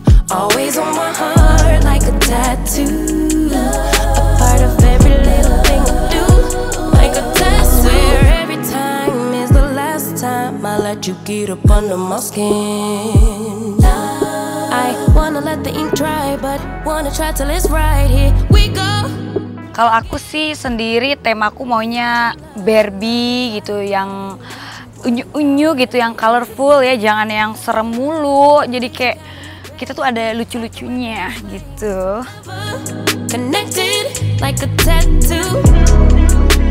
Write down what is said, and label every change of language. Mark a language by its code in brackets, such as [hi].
[en] Always on my heart like a tattoo, a part of every little thing I do, like a tattoo. Where every time is the last time I let you get up under my skin. I wanna let the ink dry, but wanna try till it's right. Here we go. [id] Kalau aku sih sendiri temaku maunya Barbie gitu, yang unyu-unyu gitu, yang colorful ya, jangan yang serem mulu. Jadi kayak kita tuh ada lucu-lucunya gitu. [en] Connected like a tattoo.